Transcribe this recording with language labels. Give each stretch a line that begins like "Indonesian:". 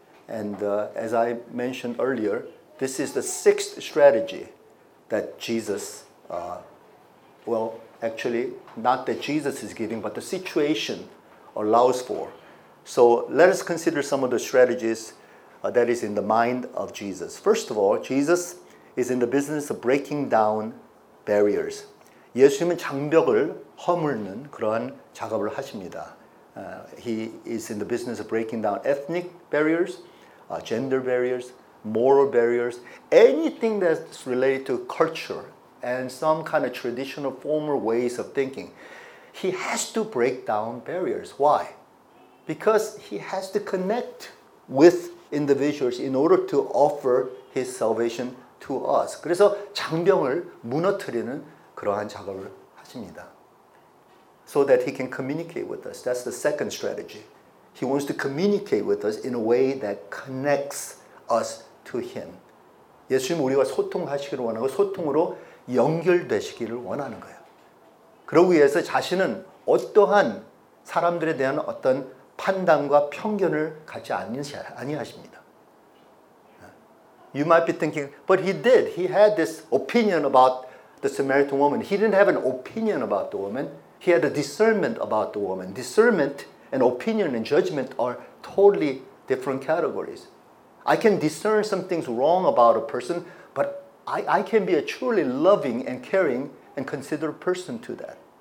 English: And as I mentioned earlier, this is the sixth strategy that Jesus, actually not that Jesus is giving, but the situation allows for. So let us consider some of the strategies that is in the mind of Jesus. First of all, Jesus is in the business of breaking down barriers.
Korean: 예수님은 장벽을 허물는 그러한 작업을 하십니다.
English: He is in the business of breaking down ethnic barriers, gender barriers, moral barriers, anything that's related to culture and some kind of traditional former ways of thinking. He has to break down barriers. Why? Because He has to connect with individuals in order to offer His salvation to us.
Korean: 그래서 장벽을 무너뜨리는 그러한 작업을 하십니다.
English: So that He can communicate with us. That's the second strategy. He wants to communicate with us in a way that connects us to Him.
Korean: 예수님 우리와 소통하시기를 원하고 소통으로 연결되시기를 원하는 거예요. 그러기 위해서 자신은 어떠한 사람들에 대한 어떤 판단과 편견을 갖지 아니하십니다.
English: You might be thinking, but He did. He had this opinion about the Samaritan woman. He didn't have an opinion about the woman. He had a discernment about the woman. Discernment and opinion and judgment are totally different categories. I can discern some things wrong about a person, but I can be a truly loving and caring and considerate person to that.